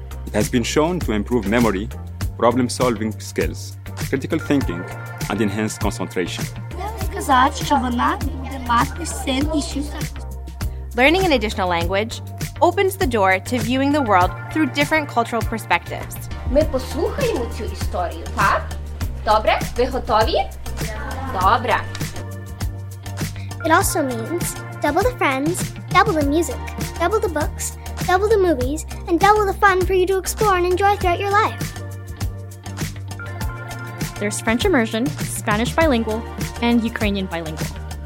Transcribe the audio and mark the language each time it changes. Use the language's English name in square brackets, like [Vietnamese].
[English] It has been shown to improve memory, problem-solving skills, critical thinking, and enhanced concentration. Learning an additional language opens the door to viewing the world through different cultural perspectives. [Ukrainian] Ми послухаємо цю історію, так? Добре? Ви готові? Добре. [English] It also means double the friends, double the music, double the books, double the movies, and double the fun for you to explore and enjoy throughout your life. There's French immersion, Spanish bilingual, and Ukrainian bilingual.